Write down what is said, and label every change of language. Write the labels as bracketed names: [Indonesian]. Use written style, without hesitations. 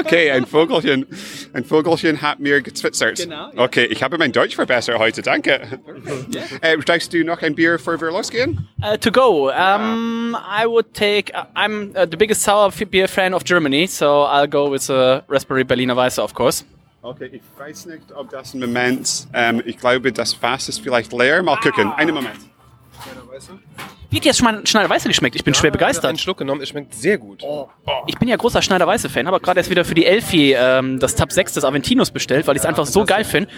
[German] Okay, ein Vögelchen hat mir gezwitschert. Genau, ja. Okay, ich habe mein Deutsch verbessert heute. Danke. Ja. Trinkst du noch ein Bier, bevor wir losgehen? [English] To go. I would take... I'm the biggest sour beer fan of Germany, so I'll go with Raspberry Berliner Weisse, of course. [German] Okay, ich weiß nicht, ob das ein Moment... ich glaube, das Fass ist vielleicht leer. Mal gucken. Einen Moment. Wie hat dir das Schneider-Weisse geschmeckt? Ich bin schwer begeistert. Ich habe einen Schluck genommen. Es schmeckt sehr gut. Ich bin ja großer Schneider-Weisse-Fan, aber gerade erst wieder für die Elfie das Tab 6 des Aventinos bestellt, weil ich es einfach so geil finde.